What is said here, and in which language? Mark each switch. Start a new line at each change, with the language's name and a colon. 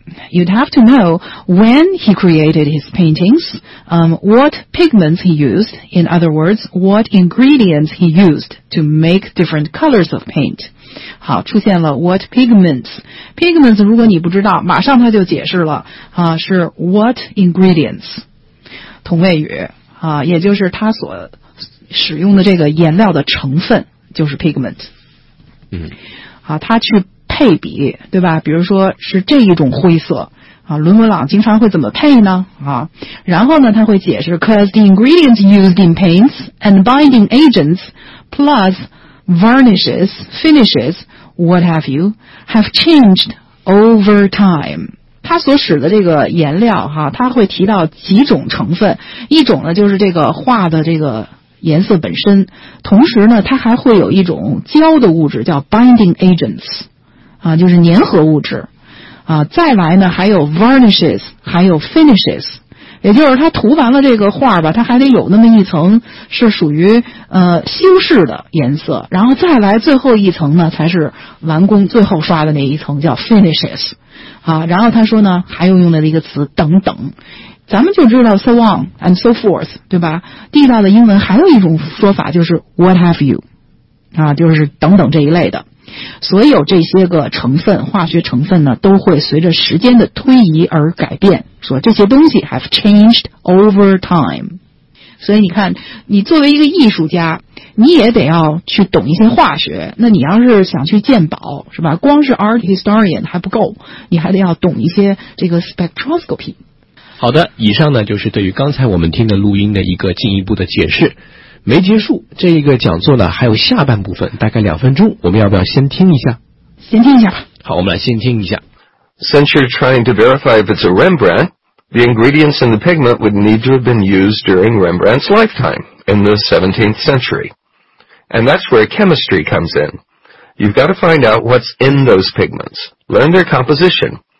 English: You'd have to know when he created his paintings, what pigments he used, in other words, what ingredients he used to make different colors of paint.
Chinese: 好，出现了
English: what pigments.
Chinese: Pigments 如果你不知道，马上他就解释了，是
English: what ingredients.
Chinese: 同位语，也就是他所使用的这个颜料的成分就是 pigment。嗯，啊，它去配比，对吧？比如说是这一种灰色，啊，伦勃朗经常会怎么配呢？啊，然后呢，他会解释 ，
English: 'cause the ingredients used in paints and binding agents, plus varnishes, finishes, what have you, have changed over time。
Chinese: 他所使的这个颜料，哈，他会提到几种成分，一种呢就是这个画的这个颜色本身，同时呢它还会有一种胶的物质叫 binding agents, 啊，就是粘合物质。啊，再来呢还有 varnishes, 还有 finishes, 也就是它涂完了这个画吧，它还得有那么一层是属于修饰的颜色，然后再来最后一层呢才是完工最后刷的那一层叫 finishes。啊，然后他说呢还用的一个词等等。咱们就知道
English: so on and so forth,
Chinese: 对吧？地道的英文还有一种说法就是
English: what have you,
Chinese: 啊，就是等等这一类的。所有这些个成分，化学成分呢，都会随着时间的推移而改变，说这些东西
English: have changed over time。
Chinese: 所以你看，你作为一个艺术家，你也得要去懂一些化学。那你要是想去鉴宝，是吧？光是 art historian 还不够，你还得要懂一些这个 spectroscopy。好的，以上呢就是对于刚才我们听的录音的一个进一步的解释。没结束，这一个讲座呢还有下半部分，大概两分钟，我们要不要先听一下？先听一下吧。好，我们来先听一下。
English: Since you're trying to verify if it's a Rembrandt, the ingredients in the pigment would need to have been used during Rembrandt's lifetime in the 17th century. And that's where chemistry comes in. You've got to find out what's in those pigments, learn their composition.